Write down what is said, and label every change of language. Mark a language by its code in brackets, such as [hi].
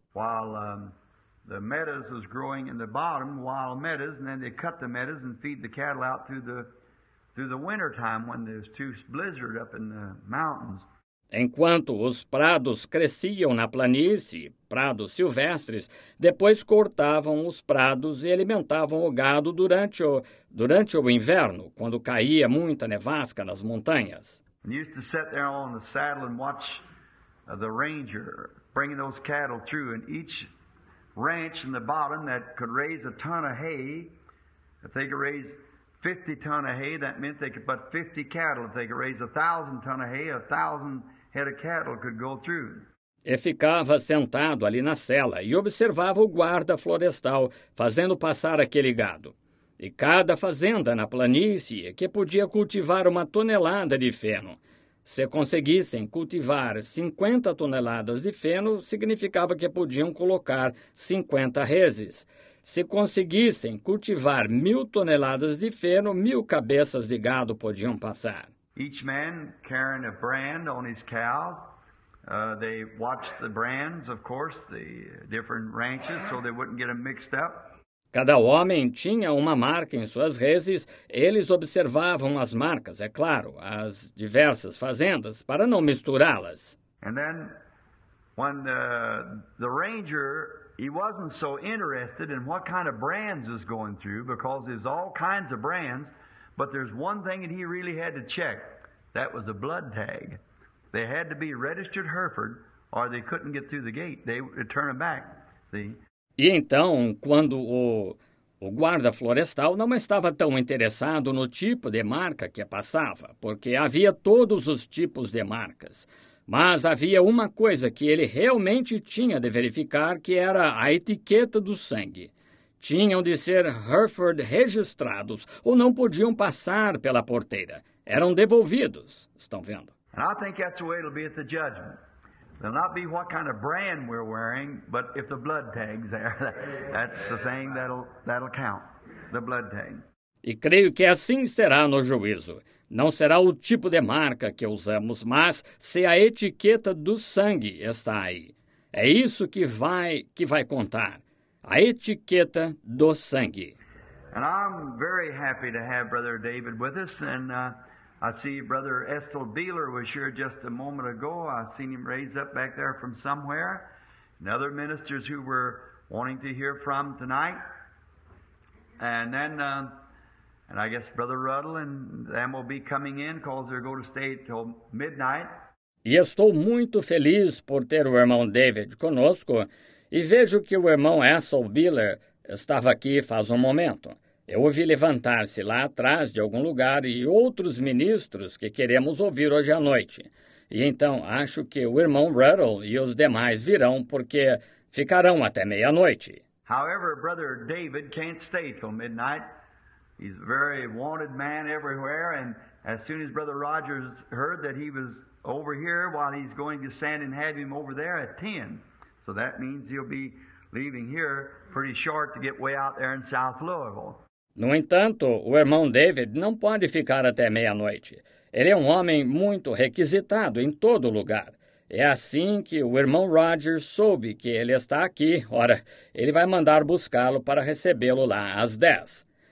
[en] While the meadows was growing in the bottom, wild meadows, and then they cut the meadows and feed the cattle out through the winter time when there's too blizzard up in the mountains. [pt] Enquanto os prados cresciam na planície, prados silvestres, depois cortavam os prados e alimentavam o gado durante o inverno, quando caía muita nevasca nas montanhas. [en] We used to sit there on the saddle and watch the ranger bringing those cattle through, and each ranch in the bottom that could raise a ton of hay, if they could raise 50 ton of hay, that meant they could put 50 cattle. If they could raise 1,000 ton of hay, 1,000 head of cattle could go through. [pt] E ficava sentado ali na cela e observava o guarda florestal fazendo passar aquele gado. E cada fazenda na planície que podia cultivar uma tonelada de feno. Se conseguissem cultivar 50 toneladas de feno, significava que podiam colocar 50 reses. Se conseguissem cultivar 1,000 toneladas de feno, 1,000 cabeças de gado podiam passar. [en] Each man carrying a brand on his cows. They watched the brands, of course, the different ranches, so they wouldn't get them mixed up. [pt] Cada homem tinha uma marca em suas reses. Eles observavam as marcas, é claro, as diversas fazendas, para não misturá-las. [en] And then, when the ranger, he wasn't so interested in what kind of brands was going through, because there's all kinds of brands, but there's one thing that he really had to check. That was a blood tag. They had to be registered Hereford, or they couldn't get through the gate. They would turn them back, see? [pt] E então, quando o guarda florestal não estava tão interessado no tipo de marca que passava, porque havia todos os tipos de marcas, mas havia uma coisa que ele realmente tinha de verificar, que era a etiqueta do sangue. Tinham de ser Hereford registrados ou não podiam passar pela porteira. Eram devolvidos, estão vendo? E eu acho que é assim que vai ser no julgamento. [en] They'll not be what kind of brand we're wearing, but if the blood tag's there, that's the thing that'll count, the blood tag. [pt] E creio que assim será no juízo. Não será o tipo de marca que usamos, mas se a etiqueta do sangue está aí. É isso que vai contar, a etiqueta do sangue. [en] And I'm very happy to have Brother David with us, and... I see Brother Estel Beeler was here just a moment ago. I seen him raise up back there from somewhere. And other ministers who were wanting to hear from tonight. And then, and I guess Brother Ruddle and them will be coming in because they're going to stay till midnight. [pt] E estou muito feliz por ter o irmão David conosco. E vejo que o irmão Estel Beeler estava aqui faz momento. Eu ouvi levantar-se lá atrás de algum lugar e outros ministros que queremos ouvir hoje à noite. E então acho que o irmão Ruddle e os demais virão porque ficarão até meia-noite. [en] However, Brother David can't stay till midnight. He's a very wanted man everywhere, and as soon as Brother Rogers heard that he was over here, while he's going to send and have him over there at 10. So that means he'll be leaving here pretty short to get way out there in South Louisville. [pt] No entanto, o irmão David não pode ficar até meia-noite. Ele é um homem muito requisitado em todo lugar. É assim que o irmão Rogers soube que ele está aqui. Ora, ele vai mandar buscá-lo para recebê-lo lá às 10.